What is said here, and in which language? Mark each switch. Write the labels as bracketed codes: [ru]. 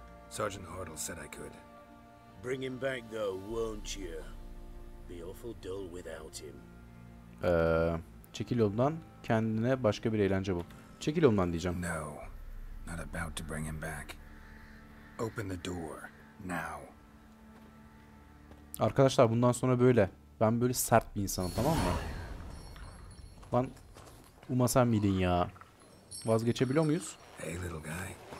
[en] Sergeant Hartle said I could. Bring him back though, won't you? Be awful dull without him. [tr] Çekil yolundan, kendine başka bir eğlence bul. Çekil yolundan diyeceğim. [en] No, not about to bring him back. Open the door now. [tr] Arkadaşlar bundan sonra böyle. Ben böyle sert bir insanım, tamam mı? Lan Uma sen miydin ya? Vazgeçebiliyor muyuz? [en] Hey little guy.